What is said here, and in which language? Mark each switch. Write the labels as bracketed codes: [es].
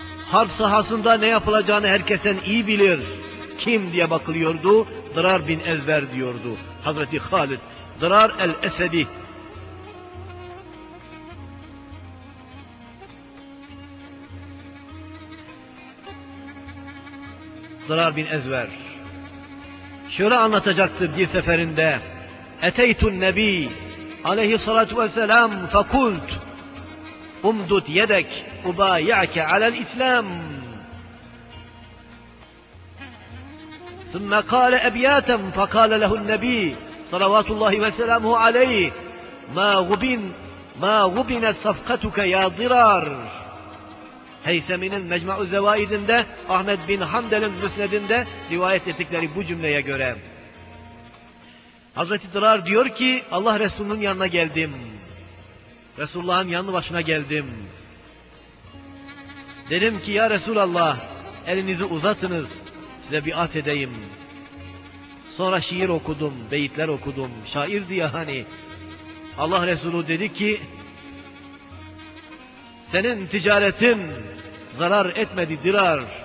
[tr] Harp sahasında ne yapılacağını herkesten iyi bilir. Kim diye bakılıyordu, Dirar bin Ezver diyordu Hazreti Halid, Dirar el-Esedi. Dirar bin Ezver, şöyle anlatacaktı bir seferinde. [ar] اتيت النبي عليه الصلاه والسلام فقلت امدد يدك ابايعك على الاسلام ثم قال ابياتا فقال له النبي صلوات الله وسلامه عليه ما غبن صفقتك يا ضرار [tr] هيثمين مجمع الزوائد ده احمد بن حنبل المسند ده روايه ettikleri bu cümleye göre Hazreti Dirar diyor ki, Allah Resulü'nün yanına geldim. Resulullah'ın yanı başına geldim. Dedim ki, ya Resulallah, elinizi uzatınız, size biat edeyim. Sonra şiir okudum, beyitler okudum, şairdi ya hani. Allah Resulü dedi ki, senin ticaretin zarar etmedi Dirar.